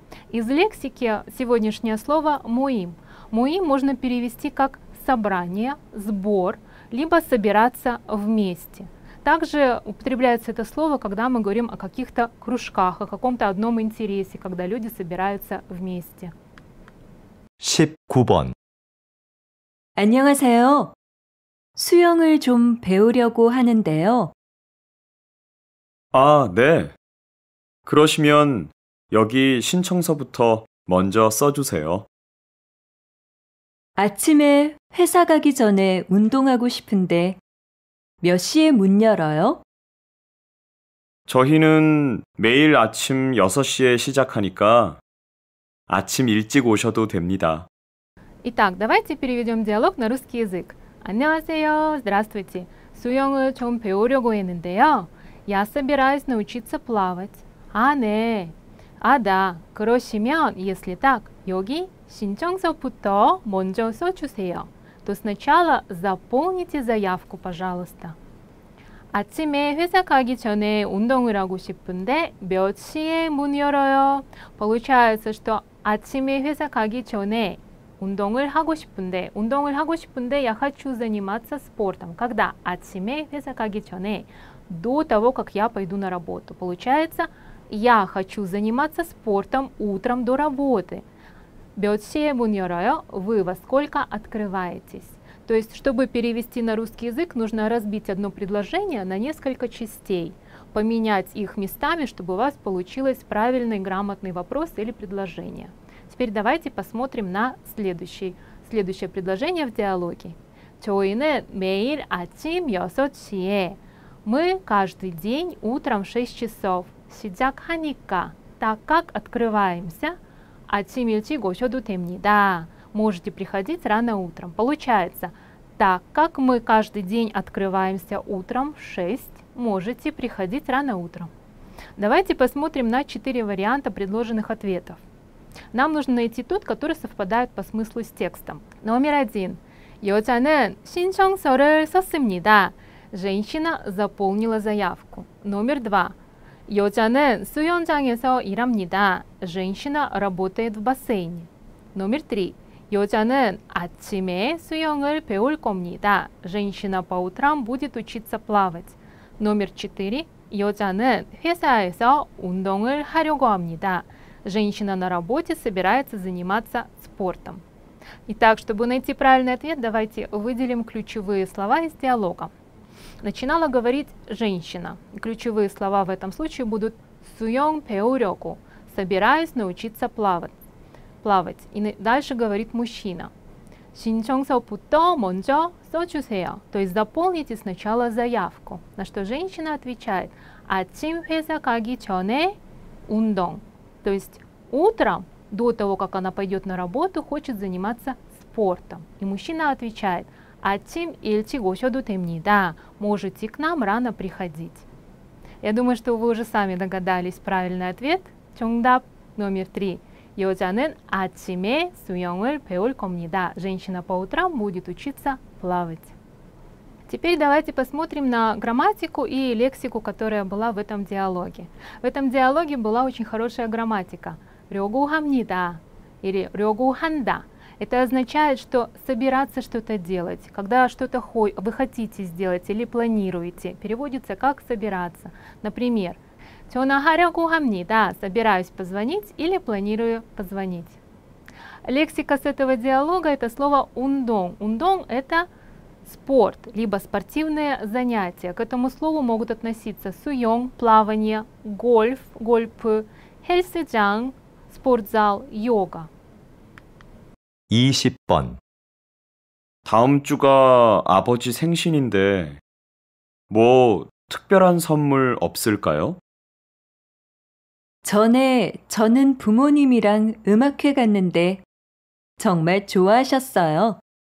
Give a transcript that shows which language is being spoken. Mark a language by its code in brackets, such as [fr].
[ru] Из лексики сегодняшнее слово «муим». «Муим» можно перевести как «собрание», «сбор», либо «собираться вместе». Также употребляется это слово, когда мы говорим о каких-то кружках, о каком-то одном интересе, когда люди собираются вместе. [ko] 19번 안녕하세요. 수영을 좀 배우려고 하는데요. 아, 네. 그러시면 여기 신청서부터 먼저 써주세요. 아침에 회사 가기 전에 운동하고 싶은데 몇 시에 문 열어요? 저희는 매일 아침 6시에 시작하니까 아침 일찍 오셔도 됩니다. [ru] Итак, давайте переведем диалог на русский язык. [ko] 안녕하세요. [ru] Здравствуйте. [ko] 수영을 좀 배우려고 했는데요. [ru] Я собираюсь научиться плавать. [ko] 아, 네. 아, 다. 그러시면, [ru] если так, [ko] 여기 신청서부터 먼저 써주세요. [ru] То сначала заполните заявку, пожалуйста. [ko] 아침에 회사 가기 전에 운동을 하고 싶은데 몇 시에 문 열어요? [ru] Получается, что [ko] 아침에 회사 가기 전에 운동을 하고 싶은데 [ru] я хочу заниматься спортом. Когда? [ko] 아침에 회사 가기 전에 [ru] до того, как я пойду на работу. Получается, я хочу заниматься спортом утром до работы. [ko] 몇 시에 문 열어요? [ru] Вы во сколько открываетесь? То есть, чтобы перевести на русский язык, нужно разбить одно предложение на несколько частей, поменять их местами, чтобы у вас получилось правильный, грамотный вопрос или предложение. Теперь давайте посмотрим на следующее предложение в диалоге. [ko] 저희는 매일 아침 6시에. [ru] Мы каждый день утром в 6 часов. [ko] 시작하니까. [ru] Так как открываемся. [ko] 아침 일찍 오셔도 됩니다. [ru] Можете приходить рано утром. Получается, так как мы каждый день открываемся утром в 6, можете приходить рано утром. Давайте посмотрим на 4 варианта предложенных ответов. Нам нужно найти тот, который совпадает по смыслу с текстом. Номер 1. [ko] 여자는 신청서를 썼습니다. [ru] Женщина заполнила заявку. Номер 2. [ko] 여자는 수영장에서 일합니다. [ru] Женщина работает в бассейне. Номер 3. [ko] 여자는 아침에 수영을 배울 겁니다. [ru] Женщина по утрам будет учиться плавать. Номер 4. [ko] 여자는 회사에서 운동을 하려고 합니다. [ru] Женщина на работе собирается заниматься спортом. Итак, чтобы найти правильный ответ, давайте выделим ключевые слова из диалога. Начинала говорить женщина. Ключевые слова в этом случае будут [ko] 수영 배우려고, [ru] собираюсь научиться плавать. И дальше говорит мужчина. [ko] 신청서부터 먼저 써주세요. [ru] То есть заполните сначала заявку. На что женщина отвечает. [ko] 아침 회사 가기 전에 운동. [ru] То есть утром, до того, как она пойдет на работу, хочет заниматься спортом. И мужчина отвечает. [ko] 아침 일찍 오셔도 됩니다. [ru] Можете к нам рано приходить. Я думаю, что вы уже сами догадались правильный ответ. 정답 номер 3. [ko] 여자는 아침에 수영을 배울 겁니다. [ru] Женщина по утрам будет учиться плавать. Теперь давайте посмотрим на грамматику и лексику, которая была в этом диалоге. В этом диалоге была очень хорошая грамматика. [ko] 려고합니다 или 려고한다. [ru] Это означает, что собираться что-то делать, когда что-то вы хотите сделать или планируете, переводится как собираться. [ko] Например, 전화하려고 합니다. [ru] Собираюсь позвонить или планирую позвонить. Лексика с этого диалога – это слово «ундонг». «Ундонг» – это спорт, либо спортивные занятия. К этому слову могут относиться суйонг – плавание, гольф – гольп, хельсиджанг – спортзал, йога. [ko] 20번. 다음 주가 아버지 생신인데 뭐 특별한 선물 없을까요? 전에 저는 부모님이랑 음악회 갔는데 정말 좋아하셨어요.